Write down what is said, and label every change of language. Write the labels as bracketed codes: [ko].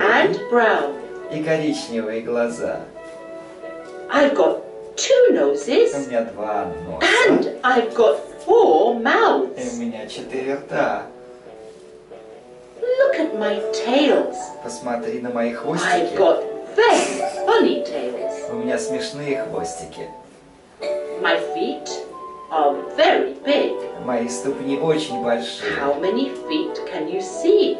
[en] And brown. [ru] И коричневые глаза. [en] I've got two noses. [ru] У меня два носа. [en] And I've got four mouths. [ru] И у меня четыре рта. [en] Look at my tails. [ru] Посмотри на мои хвостики. [en] I've got very funny tails. [ru] У меня смешные хвостики. [en] My feet are very big. [ru] Мои ступни очень большие. [en] How many feet can you see?